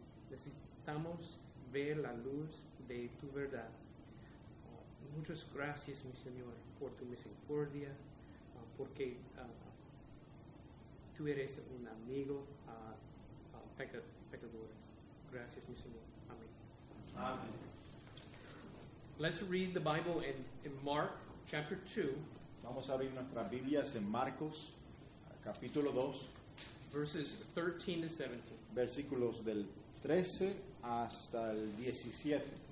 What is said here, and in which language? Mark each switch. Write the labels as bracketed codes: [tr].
[es] Necesitamos ver la luz de tu verdad. Muchas gracias, mi Señor, por tu misericordia, porque tú eres un amigo a pecadores. Gracias, mi Señor. Amén. Amén. [en] Let's read the Bible in Mark chapter 2. [es] Vamos a abrir nuestras Biblias en Marcos, capítulo 2. [en] Verses 13 to 17. [es] Versículos del 13 hasta el 17.